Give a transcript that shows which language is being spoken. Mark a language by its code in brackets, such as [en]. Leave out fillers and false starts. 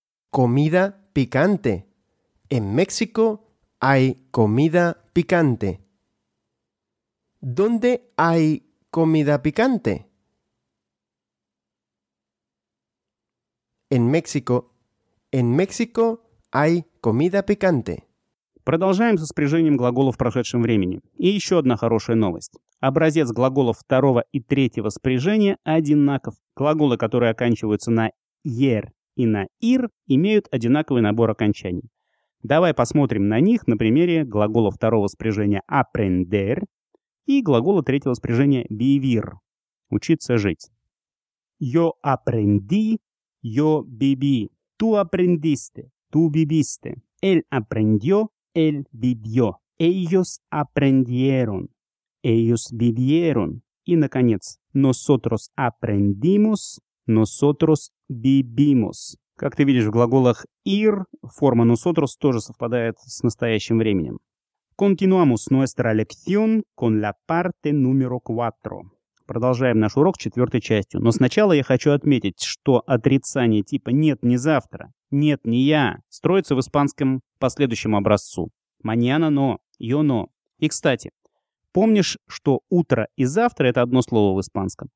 [es] Comida picante. En México hay comida picante. ¿Dónde hay comida picante? En México. En México hay comida picante. [ru] Продолжаем со спряжением глаголов в прошедшем времени. И еще одна хорошая новость. Образец глаголов второго и третьего спряжения одинаков. Глаголы, которые оканчиваются на «ер» и на «ир», имеют одинаковый набор окончаний. Давай посмотрим на них на примере глагола второго спряжения «aprender» и глагола третьего спряжения «vivir» – «учиться жить». [es] «Yo aprendí, yo viví». «Tú aprendiste, tú viviste». «Él aprendió, él vivió». «Ellos aprendieron, ellos vivieron». [ru] И, наконец, [es] «nosotros aprendimos, nosotros vivimos». [ru] Как ты видишь, в глаголах «ir» форма «nosotros» тоже совпадает с настоящим временем. [es] Continuamos nuestra lección con la parte número 4. [ru] Продолжаем наш урок четвертой частью. Но сначала я хочу отметить, что отрицание типа «нет, не завтра», «нет, не я» строится в испанском последующем образцу. [es] «Mañana no», «yo no». [ru] И, кстати, помнишь, что «утро» и «завтра» — это одно слово в испанском?